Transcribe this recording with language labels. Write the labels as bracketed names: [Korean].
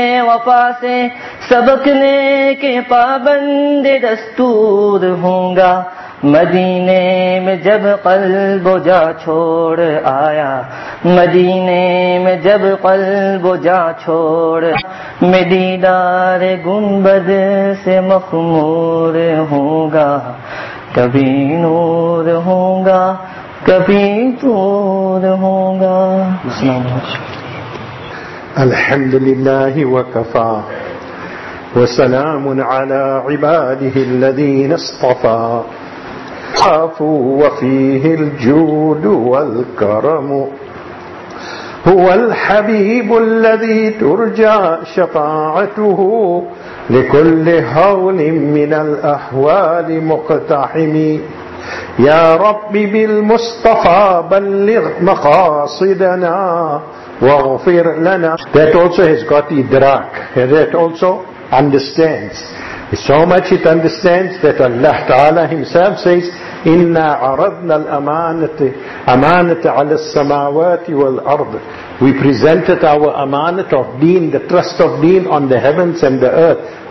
[Urdu] وفا سے سبکنے کے پابند دستور ہوں گا مدینے میں جب قلب جا چھوڑ آیا مدینے میں جب قلب جا چھوڑ میں دیدار گنبد سے مخمور ہوں گا کبھی نور ہوں گا کبھی طور ہوں گا [Arabic] الحمد للہ وکفا وسلام على عباده الذين اصطفى عفو وفيه الجود والكرم هو الحبيب الذي ترجى شفاعته لكل هول من الأحوال مقتحم يا رب بالمصطفى بلغ مقاصدنا واغفر لنا. [English] That also has got the idrak, and that also understands. So much it understands that Allah Ta'ala Himself says, [Arabic] Inna aradna al-amanat al-samawat wal-ard. [English] We presented our amanat of deen, the trust of deen on the heavens and the earth.